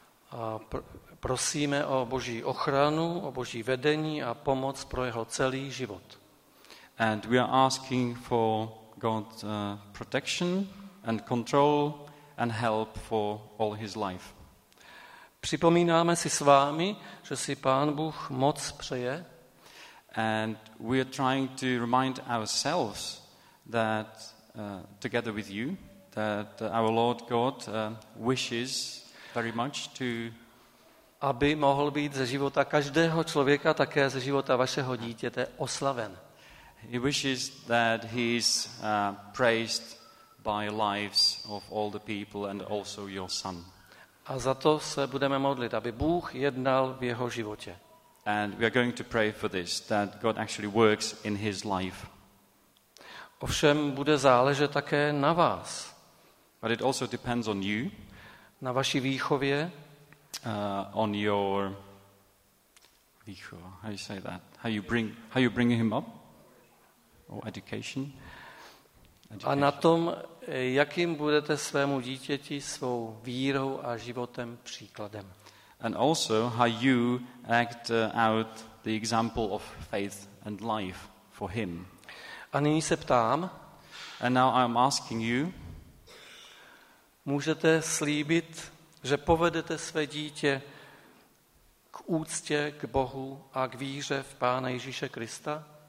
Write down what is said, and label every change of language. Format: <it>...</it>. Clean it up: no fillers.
<cs>A prosíme o Boží ochranu, o Boží vedení a pomoc pro jeho celý život.</cs> <en>And we are asking for God's protection and control and help for all his life.</en> <cs>Připomínáme si s vámi, že si Pán Bůh moc přeje.</cs> <en>And we are trying to remind ourselves that together with you that our Lord God wishes very much to</en> <cs>aby mohl být ze života každého člověka také ze života vašeho dítěte oslaven.</cs> <en>He wishes that he is praised by lives of all the people and also your son.</en> <cs>A za to se budeme modlit, aby Bůh jednal v jeho životě.</cs> <en>And we are going to pray for this, that God actually works in his life.</en> <cs>Ovšem bude záležet také na vás.</cs> <en>But it also depends on you.</en> <cs>Na vaší výchově.</cs> <en>On your výchova. How you say that? How you bring him up? Or education?</en> <cs>A na tom, jakým budete svému dítěti svou vírou a životem příkladem.</cs> <en>And also how you act out the example of faith and life for him.</en> <cs>A nyní se ptám.</cs> <en>And now I'm asking you.</en> <cs>Můžete slíbit, že povedete své dítě k úctě k Bohu a k víře v Pána Ježíše Krista?</cs>